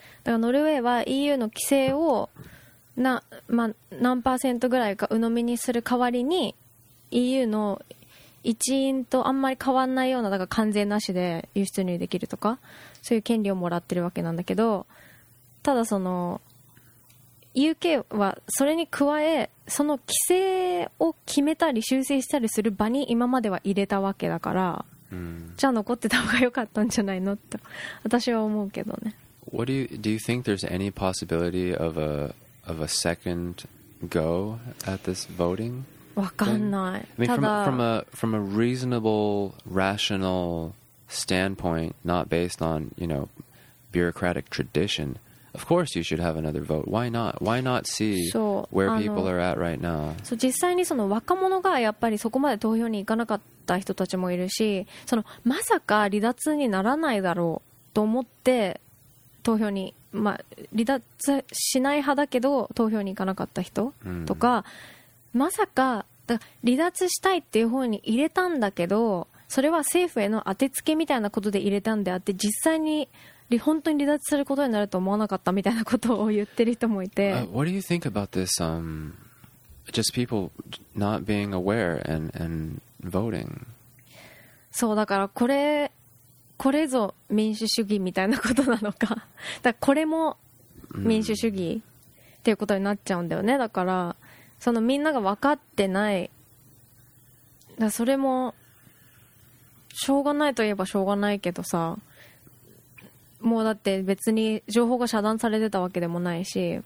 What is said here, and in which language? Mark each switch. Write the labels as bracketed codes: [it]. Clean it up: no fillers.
[ja] だからノルウェーは EU の規制をな、まあ、何パーセントぐらいか鵜呑みにする代わりにEU の一員とあんまり変わんないような、だから関税なしで輸出入できるとかそういう権利をもらってるわけなんだけど、ただその UK はそれに加えその規制を決めたり修正したりする場に今までは入れたわけだから、うん、じゃあ残ってた方が良かったんじゃないのと私は思うけどね。 [en] What do you think there's any possibility of a second go at this voting? [ja] わかんない。 [en] I mean, from a reasonable, rational standpoint, not based on, you know, bureaucratic tradition, of course you should have another vote. Why not? Why not see where people are at right now? [ja] そう、実際にその若者がやっぱりそこまで投票に行かなかった人たちもいるし、そのまさか離脱にならないだろうと思って投票に、まあ、離脱しない派だけど投票に行かなかった人とか、まさか、だから離脱したいっていう方に入れたんだけど、それは政府への当てつけみたいなことで入れたんであって、実際に本当に離脱することになると思わなかったみたいなことを言ってる人もいて。 [en] What do you think about this, just people not being aware and voting? [ja] そう、だからこれぞ民主主義みたいなことなのか。だからこれも民主主義っていうことになっちゃうんだよね。だから、そのみんなが分かってない、だそれもしょうがないといえばしょうがないけどさ、もうだって別に情報が遮断されてたわけでもないし。